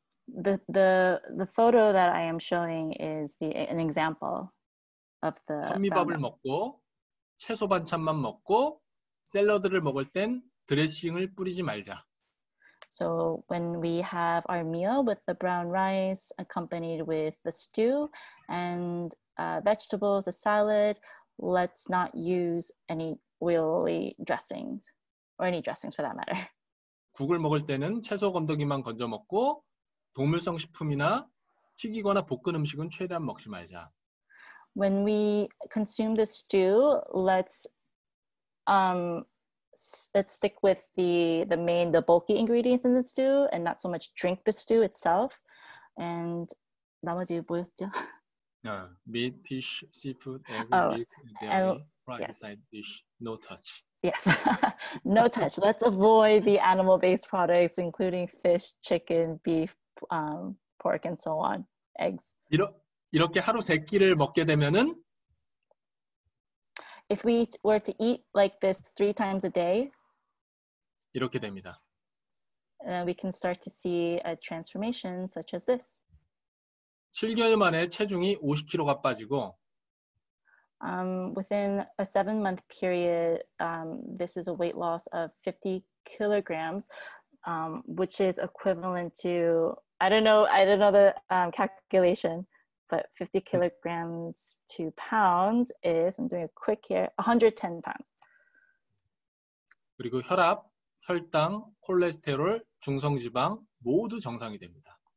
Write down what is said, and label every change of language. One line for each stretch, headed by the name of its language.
English: The photo that I am showing is an example of the
Korean: 현미밥을 먹고 채소 반찬만 먹고 샐러드를 먹을 땐 드레싱을 뿌리지 말자.
English: So when we have our meal with the brown rice accompanied with the stew and vegetables, a salad, let's not use any oily dressings or any dressings for that matter.
Korean: 국을 먹을 때는 채소 건더기만 건져 먹고 동물성 식품이나 튀기거나 볶은 음식은 최대한 먹지 말자.
English: When we consume the stew, let's stick with the bulky ingredients in the stew and not so much drink the stew itself. And
Korean: 나머지 뭐였죠?
English: Meat, fish, seafood, egg, dairy, fried side dish, no touch. Yes, no touch. Let's avoid the animal-based products, including fish, chicken, beef, pork, and so on, eggs.
Korean: 이렇게 하루 세 끼를 먹게 되면은
English: If we were to eat like this three times a day,
Korean: 이렇게 됩니다.
English: Then we can start to see a transformation such as this.
Korean: 7개월 만에 체중이 50kg가 빠지고
English: Within a seven-month period, this is a weight loss of 50 kilograms, which is equivalent to, I don't know the calculation, but 50 kilograms to pounds is, I'm doing a quick here, 110 pounds.
Korean: 그리고 혈압, 혈당, 콜레스테롤, 중성지방 모두 정상이 됩니다.